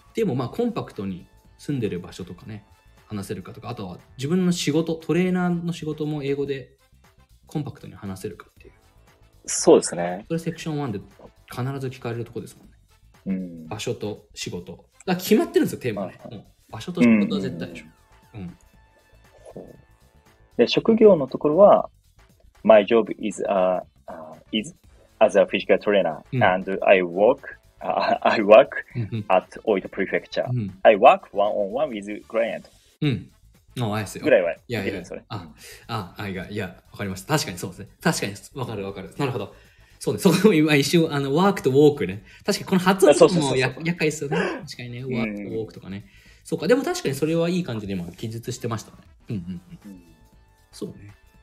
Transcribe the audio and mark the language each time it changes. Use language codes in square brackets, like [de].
[ja] でも、まあ、コンパクトに住んでる場所とかね、話せるかとか、あとは自分の仕事、トレーナーの仕事も英語でコンパクトに話せるかっていう。そうですね。それセクション1で必ず聞かれるところですもんね。うん、場所と仕事だ、決まってるんですよ、テーマね。場所と仕事は絶対でしょ。で、職業のところは、 [en] My job is, is as a physical trainer、and I work at Oita Prefecture. I work one-on-one with client. [ja] ぐらいは言ってるんですよね。わかりました。確かにそうですね。確かに、わかるわかる。なるほど。そうです。そこも今一瞬、ワークとウォークね。確かにこの発音も厄介ですよね。確かにね、ワークとウォークとかね。そうか、でも確かにそれはいい感じで今、記述してましたね。そうね。